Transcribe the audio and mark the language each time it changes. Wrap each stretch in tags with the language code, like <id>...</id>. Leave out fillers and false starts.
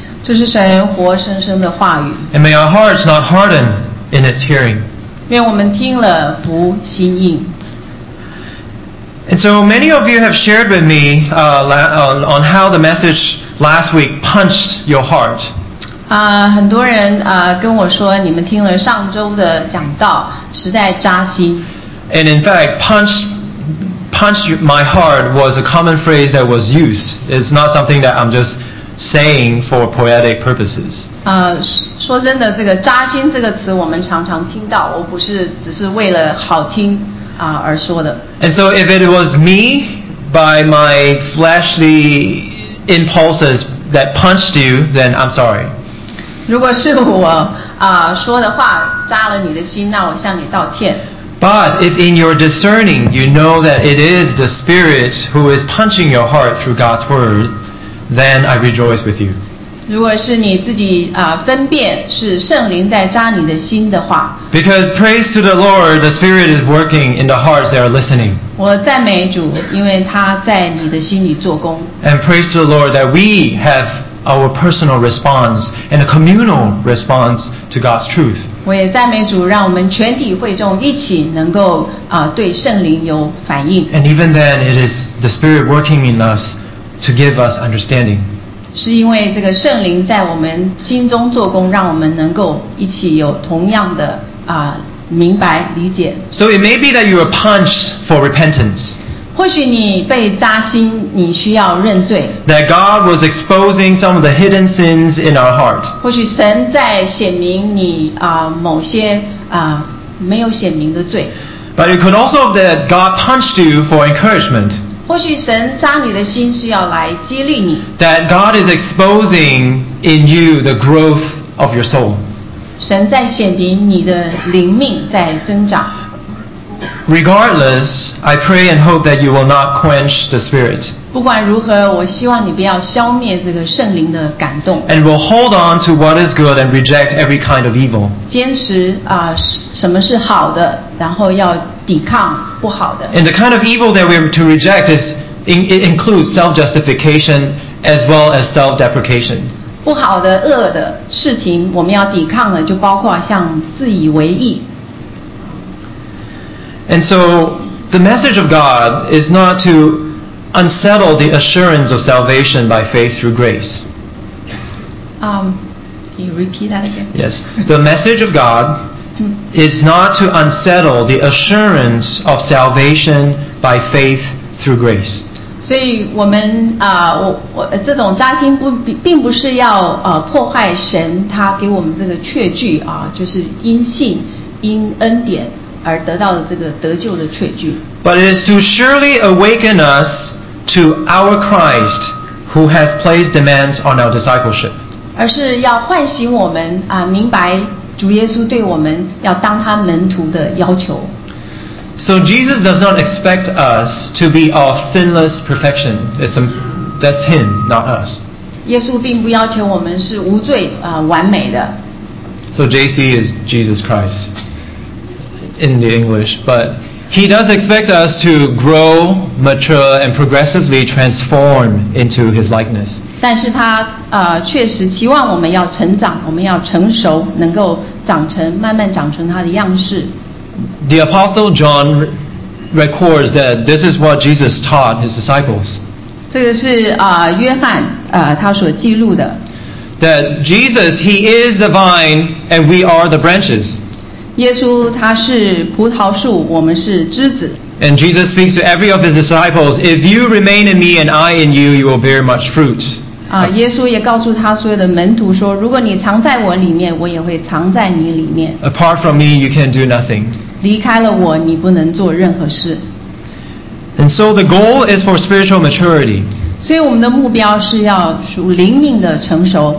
<zh>这是神活生生的话语。</zh> <en>And may our hearts not harden in its hearing.</en> <zh>愿我们听了不心硬。</zh> <en>And so many of you have shared with me on how the message last week punched your heart.</en> <zh>很多人跟我说你们听了上周的讲道实在扎心。</zh> <en>And in fact, punch my heart was a common phrase that was used. It's not something that I'm just saying for poetic purposes.</en> <zh>说真的，这个扎心这个词我们常常听到，我不是只是为了好听。</zh> <en>And so if it was me by my fleshly impulses that punched you, then I'm sorry.</en> <zh>如果是我说的话扎了你的心，那我向你道歉。</zh> <en>But if in your discerning you know that it is the Spirit who is punching your heart through God's word, then I rejoice with you.</en> <zh>如果是你自己分辨是圣灵在扎你的心的话</zh> <en>Because praise to the Lord, the Spirit is working in the hearts that are listening.</en> <zh>我赞美主，因为他在你的心里做工。</zh> <en>And praise to the Lord that we have our personal response and a communal response to God's truth.</en> <zh>我也赞美主，让我们全体会众一起能够对圣灵有反应。</zh> <en>And even then, it is the Spirit working in us to give us understanding.</en> <zh>是因为这个圣灵在我们心中做工，让我们能够一起有同样的明白理解。</zh> <en>So it may be that you were punched for repentance.</en> <zh>或许你被扎心，你需要认罪。</zh> <en>That God was exposing some of the hidden sins in our heart.</en> <zh>或许神在显明你某些没有显明的罪。</zh> <en>But it could also be that God punched you for encouragement.</en> <zh>或许神扎你的心是要来激励你。</zh> <en>That God is exposing in you the growth of your soul.</en> <zh>神在显明你的灵命在增长。</zh> <en>Regardless, I pray and hope that you will not quench the Spirit.</en> <zh>不管如何，我希望你不要消灭这个圣灵的感动。</zh> <en>And will hold on to what is good and reject every kind of evil.</en> <zh>坚持什么是好的，然后要抵抗。</zh> <en>And the kind of evil that we are to reject it includes self-justification as well as self-deprecation.</en> <zh>不好的、恶的事情，我们要抵抗的就包括像自以为意。</zh> <en>And so the message of God is not to unsettle the assurance of salvation by faith through grace. Can you repeat that again? Yes. The message of God... is not to unsettle the assurance of salvation by faith through grace.</en> <zh>所以我们这种扎心并不是要破坏神他给我们这个确据就是因信因恩典而得到的这个得救的确据。</zh> <en>But it is to surely awaken us to our Christ who has placed demands on our discipleship.</en> <zh>而是要唤醒我们明白主耶稣对我们要当他门徒的要求。</zh> <en>So Jesus does not expect us to be of sinless perfection. That's him, not us.</en> <zh>耶稣并不要求我们是无罪完美的。</zh> <en>So JC is Jesus Christ in the English, but he does expect us to grow, mature, and progressively transform into his likeness.</en> <zh>但是他确实期望我们要成长，我们要成熟，能够长成慢慢长成他的样式。</zh> <en>The Apostle John records that this is what Jesus taught his disciples.</en> <zh>这个是约翰他所记录的。</zh> <en>That Jesus he is the vine and we are the branches.</en> <zh>耶稣他是葡萄树，我们是枝子。</zh> <en>And Jesus speaks to every of his disciples, if you remain in me and I in you, you will bear much fruit.</en> <zh>耶稣也告诉他所有的门徒说，如果你藏在我里面，我也会藏在你里面。</zh> <en>Apart from me, you can do nothing.</en> <zh>离开了我，你不能做任何事。</zh> <en>And so the goal is for spiritual maturity.</en> <zh>所以我们的目标是要属灵命的成熟。</zh>